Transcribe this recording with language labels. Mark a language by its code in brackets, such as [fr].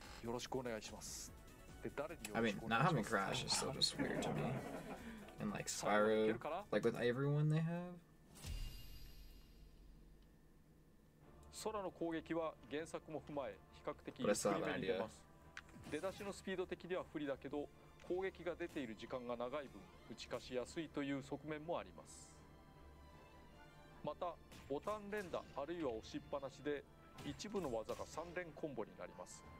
[ja] よろしくお願いします。で、誰によろしくお願いします。 [en] I mean, not having Crash is still just weird to me. And like Spyro, like with everyone they have. [ja] 空の攻撃は原作も踏まえ比較的ゆっくりめに出ます。出だしのスピード的には不利だけど、攻撃が出ている時間が長い分打ち消しやすいという側面もあります。またボタン連打あるいは押しっぱなしで一部の技が3連コンボになります。